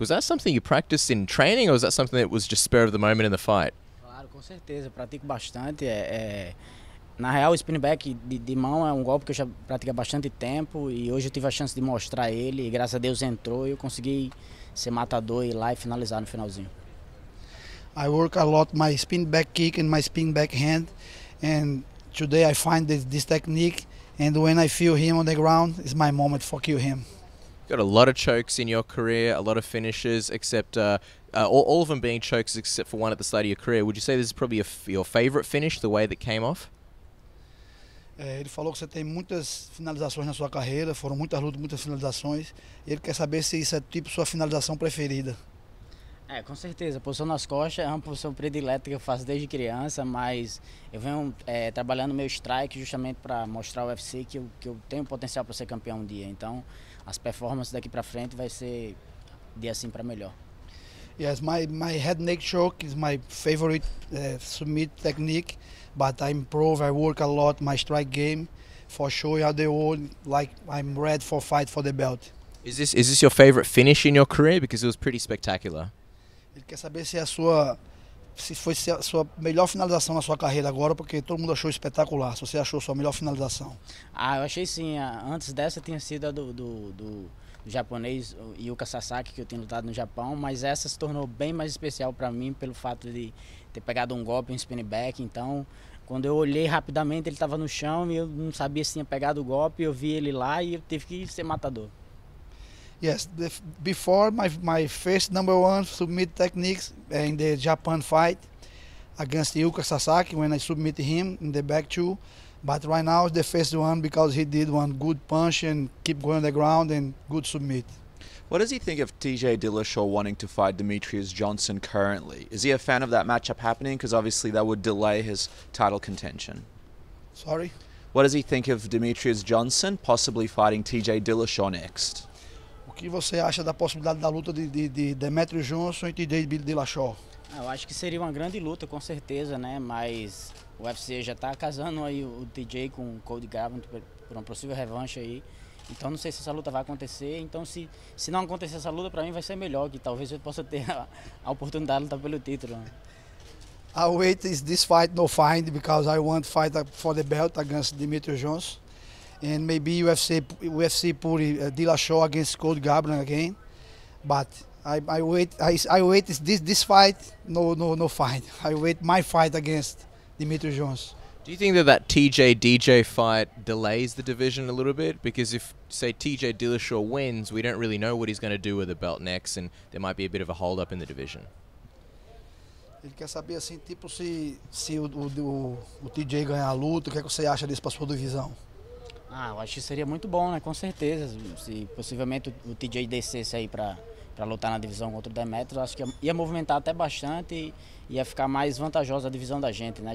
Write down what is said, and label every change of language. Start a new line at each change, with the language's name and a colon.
English: Was that something you practiced in training, or was that something that was just spur of the moment in the fight?
Portuguese: Claro, com certeza. Pratico bastante. Na real, o spinning back de mão é um golpe que eu já pratico há bastante tempo e hoje eu tive a chance de mostrar ele e graças a Deus entrou e eu consegui ser matador e ir lá e finalizar no finalzinho.
English: I work a lot my spin back kick and my spin back hand and today I find this technique and when I feel him on the ground is my moment for kill him. Got a lot of chokes in your career, a lot of finishes, except all of them being chokes except for one at the start of your career. Would you say this is probably your favorite finish, the way that came off?
Portuguese: Ele falou que você tem muitas finalizações na sua carreira, foram muitas lutas, muitas finalizações. E ele quer saber se isso é tipo sua finalização preferida. É, com certeza. A posição nas costas é uma posição predileta que eu faço desde criança, mas eu venho trabalhando meu strike justamente para mostrar ao UFC que eu tenho potencial para ser campeão um dia. Então, as performances daqui para frente vai ser de assim para melhor.
English: Yes, my head neck choke is my favorite submit technique, but I improve, I work a lot my strike game for sure how they all like I'm ready for fight for the belt. Is this your favorite finish in your career? Because it was pretty spectacular.
Portuguese: Ele quer saber se foi a sua melhor finalização na sua carreira agora, porque todo mundo achou espetacular. Se você achou a sua melhor finalização. Ah, eu achei sim. Antes dessa tinha sido a do japonês Yuka Sasaki, que eu tinha lutado no Japão, mas essa se tornou bem mais especial para mim pelo fato de ter pegado um golpe, um spin back. Então, quando eu olhei rapidamente, ele estava no chão e eu não sabia se tinha pegado o golpe. Eu vi ele lá e eu tive que ser matador.
English: Yes, before my first number one submit techniques in the Japan fight against Yuka Sasaki when I submit him in the back two. But right now, the first one because he did one good punch and keep going on the ground and good submit. What does he think of TJ Dillashaw wanting to fight Demetrius Johnson currently? Is he a fan of that matchup happening? Because obviously that would delay his title contention. Sorry? What does he think of Demetrius Johnson possibly fighting TJ Dillashaw next?
Portuguese: O que você acha da possibilidade da luta de Demetrius Johnson e TJ Dillashaw? Eu acho que seria uma grande luta, com certeza, né? Mas o UFC já está casando aí o TJ com o Cody Garbrandt por uma possível revanche aí. Então não sei se essa luta vai acontecer. Então se não acontecer essa luta, para mim vai ser melhor, que talvez eu possa ter a oportunidade de lutar pelo título.
English: I wait is this fight no find because I want fight for the belt against Demetrius Johnson and maybe UFC put Dillashaw against Cody Garbrandt again. But I wait this fight no find. I wait my fight against Demetrius Johnson. Do you think that TJ-DJ fight delays the division a little bit? Because if, say, TJ Dillashaw wins, we don't really know what he's going to do with the belt next, and there might be a bit of a hold-up in the division.
Portuguese: Ele quer saber, assim, tipo, se o TJ ganhar a luta, o que é que você acha disso para sua divisão? Ah, eu acho que seria muito bom, né? Com certeza. Se possivelmente o TJ descesse aí para lutar na divisão contra o Demetrius, acho que ia movimentar até bastante e ia ficar mais vantajosa a divisão da gente, né?